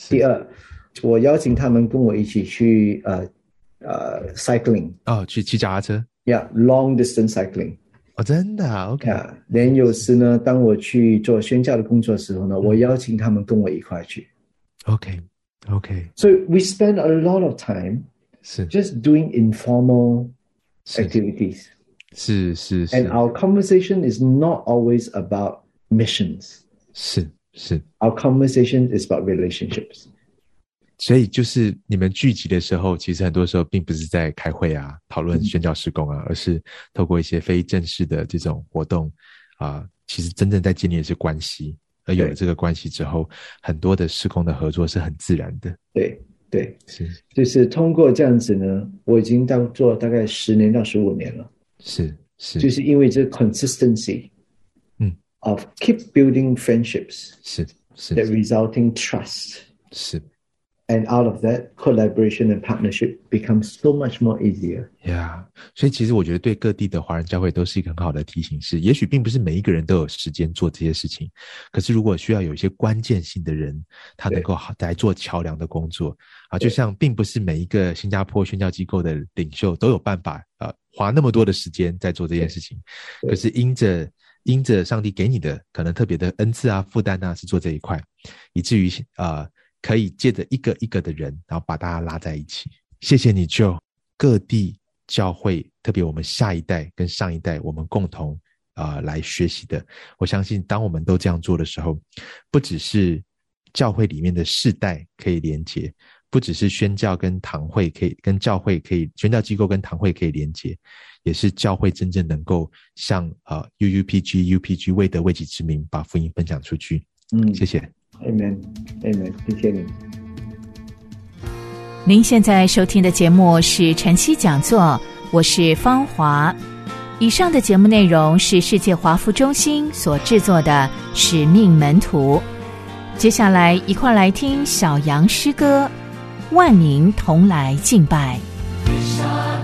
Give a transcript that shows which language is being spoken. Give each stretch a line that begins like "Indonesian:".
Chinese: 第二，我邀请他们跟我一起去cycling、去骑脚踏车。
English: Yeah， long distance cycling、
Chinese: 真的、OK。 yeah， 连有时呢，当我去做宣教的工作的时候呢、我邀请他们跟我一块去。 OKOK，
English: so we spend a lot of time just doing informal activities。
Chinese: 是是是。
English: And our conversation is not always about missions.
Chinese: 是是。
English: Our conversation is about relationships.
Chinese: 所以就是你们聚集的时候，其实很多时候并不是在开会啊，讨论宣教事工啊，而是透过一些非正式的这种活动啊，其实真正在建立的是关系。而有了这个关系之后，很多的事工的合作是很自然的。对对，是，就是通过这样子呢，我已经当做大概10年到15年了。是是，就是因为这
English: consistency， of keep building friendships，
Chinese: 是
English: that resulting trust，
Chinese: 是
English: ，and out of that collaboration and partnership becomes so much more easier。
Chinese: 呀，所以其实我觉得对各地的华人教会都是一个很好的提醒，是，也许并不是每一个人都有时间做这些事情，可是如果需要有一些关键性的人，他能够来做桥梁的工作啊，就像并不是每一个新加坡宣教机构的领袖都有办法花那么多的时间在做这件事情，可是因着上帝给你的可能特别的恩赐啊、负担啊，是做这一块，以至于可以借着一个一个的人，然后把大家拉在一起。谢谢你 Joe， 各地教会特别我们下一代跟上一代，我们共同来学习的。我相信当我们都这样做的时候，不只是教会里面的世代可以连结，不只是宣教跟堂会可以跟教会可以宣教机构跟堂会可以连结，也是教会真正能够像UUPG UPG 未得未己之名把福音分享出去。谢谢。 Amen Amen， 谢谢您。您现在收听的节目是晨曦讲座，我是芳华。以上的节目内容是世界华福中心所制作的《使命门徒》。接下来一块来听小羊诗歌《万民同来敬拜》。